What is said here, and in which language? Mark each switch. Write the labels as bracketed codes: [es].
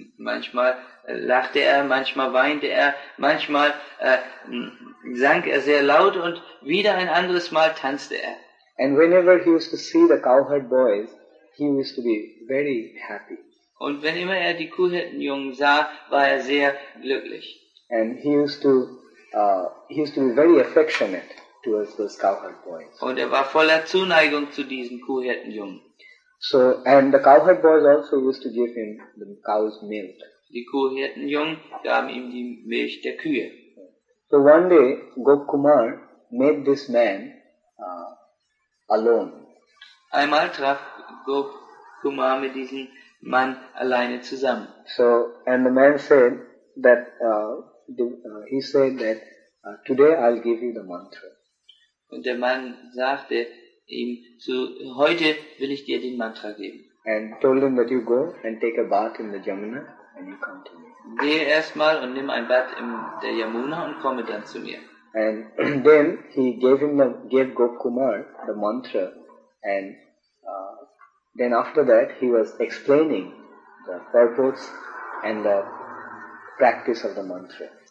[de] Manchmal lachte er, manchmal weinte er, manchmal sang er sehr laut und wieder ein anderes Mal tanzte er. [en] And whenever he used to see the cowherd boys, he used to be very happy. [de] Und wenn immer er die Kuhhirtenjungen sah, war er sehr glücklich. [en] And he used to be very affectionate towards those cowherd boys. [de] Und war voller Zuneigung zu diesen Kuhhirtenjungen. [en] So, and the cowherd boys also used to give him the cow's milk. [de] Die Kuhhirtenjungen gaben ihm die Milch der Kühe. [en] So one day, Gop Kumar met this man alone. [de] Einmal traf Gop Kumar mit diesem Mann alleine zusammen. [en] So, and the man said that he said that today I'll give you the mantra. [de] Und der Mann sagte ihm zu, heute will ich dir den Mantra geben. [en] And told him that you go and take a bath in the Yamuna and you come to me. [de] Geh erstmal und nimm ein Bad in der Yamuna und komme dann zu mir. [en] And then he gave Gop Kumar the mantra and then after that he was explaining the purpose and the practice of the mantra.